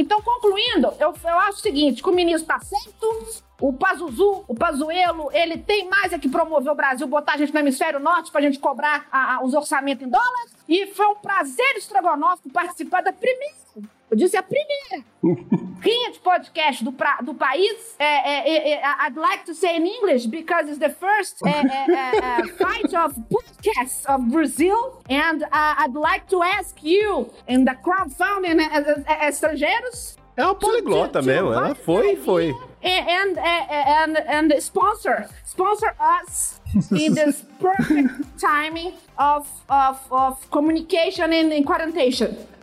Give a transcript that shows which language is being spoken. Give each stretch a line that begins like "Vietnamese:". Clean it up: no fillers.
Portuguese: Então, concluindo, eu acho o seguinte, que o ministro tá certo, o Pazuello, ele tem mais é que promover o Brasil, botar a gente no Hemisfério Norte pra gente cobrar os orçamentos em dólares. E foi um prazer estrogonófico participar da primeira, eu disse a primeira, rinha de podcast do país.
English: I'd like to say in English, because it's the first fight of podcasts of Brazil. And I'd like to ask you, in the crowdfunding
Portuguese: estrangeiros... É uma poliglota mesmo, ela foi.
English: And sponsor us in this perfect timing of communication and in quarantation.